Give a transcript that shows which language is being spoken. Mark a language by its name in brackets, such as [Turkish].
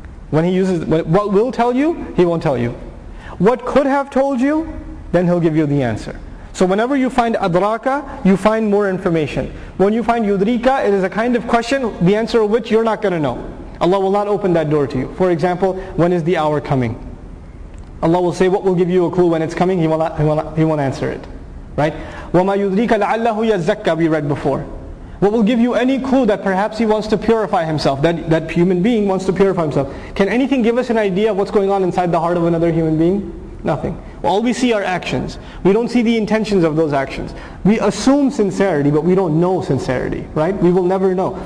[English] When He uses, what will tell you, He won't tell you. What could have told you, then He'll give you the answer. So whenever you find adraka, you find more information. When you find yudrika, it is a kind of question, the answer of which you're not going to know. Allah will not open that door to you. For example, when is the hour coming? Allah will say, what will give you a clue when it's coming? He won't answer it. Right? [Arabic] وَمَا يُدْرِيكَ لَعَلَّهُ يَزَّكَّ [English] we read before. What will give you any clue that perhaps he wants to purify himself, that human being wants to purify himself? Can anything give us an idea of what's going on inside the heart of another human being? Nothing. All we see are actions. We don't see the intentions of those actions. We assume sincerity, but we don't know sincerity, right? We will never know.